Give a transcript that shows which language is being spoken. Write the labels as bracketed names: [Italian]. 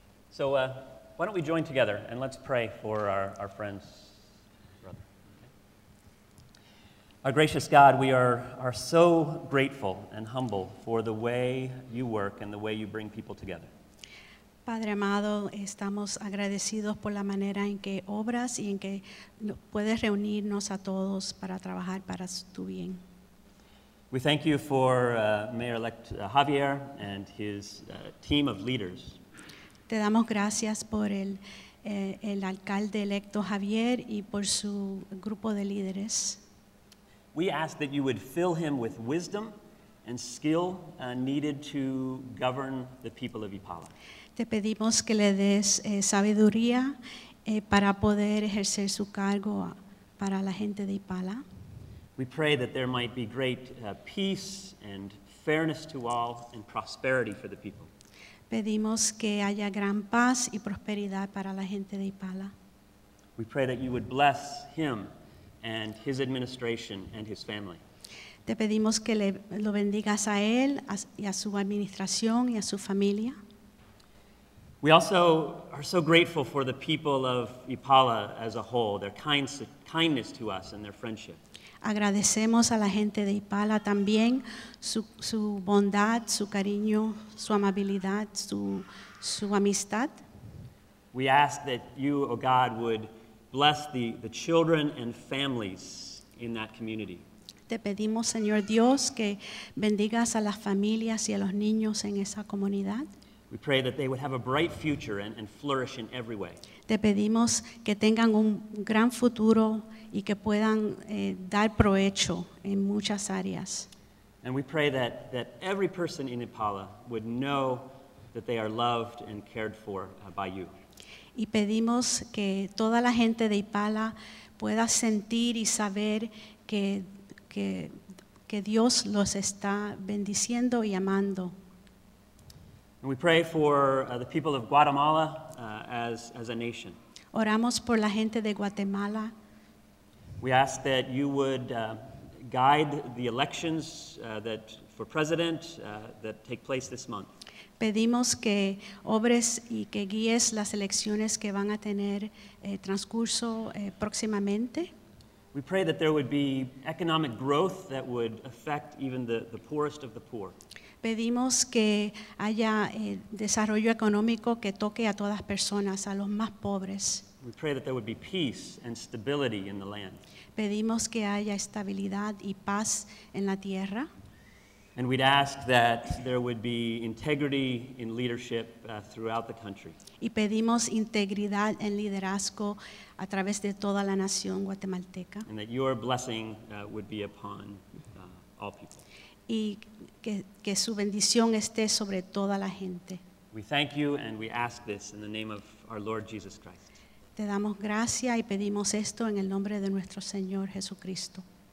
[English] So why don't we join together and let's pray for our friends, brother. Okay. Our gracious God, we are so grateful and humble for the way you work and the way you bring people together. [Spanish] Padre amado, estamos agradecidos por la manera en que obras y en que puedes reunirnos a todos para trabajar para tu bien. [English] We thank you for Mayor-elect Javier and his team of leaders [Spanish] Te damos gracias por el alcalde electo Javier y por su grupo de líderes. [English] We ask that you would fill him with wisdom and skill needed to govern the people of Ipala. [Spanish] Te pedimos que le des sabiduría para poder ejercer su cargo para la gente de Ipala. [English] We pray that there might be great peace and fairness to all and prosperity for the people. [Spanish] Pedimos que haya gran paz y prosperidad para la gente de Ipala. [English] We pray that you would bless him and his administration and his family. [Spanish] Te pedimos que lo bendigas a él y a su administración y a su familia. [English] We also are so grateful for the people of Ipala as a whole, their kindness to us and their friendship. [Spanish] Agradecemos a la gente de Ipala también su bondad, su cariño, su amabilidad, su amistad. [English] We ask that you, O God, would bless the children and families in that community. [Spanish] Te pedimos, Señor Dios, que bendigas a las familias y a los niños en esa comunidad. [English] We pray that they would have a bright future and flourish in every way. [Spanish] Te pedimos que tengan un gran futuro y que puedan dar provecho en muchas áreas. [English] And we pray that every person in Ipala would know that they are loved and cared for by you. [Spanish] Y pedimos que toda la gente de Ipala pueda sentir y saber que Dios los está bendiciendo y amando. [English] And we pray for the people of Guatemala as a nation. [Spanish] Oramos por la gente de Guatemala. [English] We ask that you would guide the elections that for president that take place this month. [Spanish] Pedimos que obres y que guíes las elecciones que van a tener transcurso próximamente. [English] We pray that there would be economic growth that would affect even the poorest of the poor. [Spanish] Pedimos que haya desarrollo económico que toque a todas personas, a los más pobres. [English] We pray that there would be peace and stability in the land. [Spanish] Pedimos que haya estabilidad y paz en la tierra. [English] And we'd ask that there would be integrity in leadership throughout the country. [Spanish] Y pedimos integridad en liderazgo a través de toda la nación guatemalteca. [English] And that your blessing would be upon all people. [Spanish] Y que su bendición esté sobre toda la gente. [English] We thank you and we ask this in the name of our Lord Jesus Christ. [Spanish] Te damos gracia y pedimos esto en el nombre de nuestro Señor Jesucristo.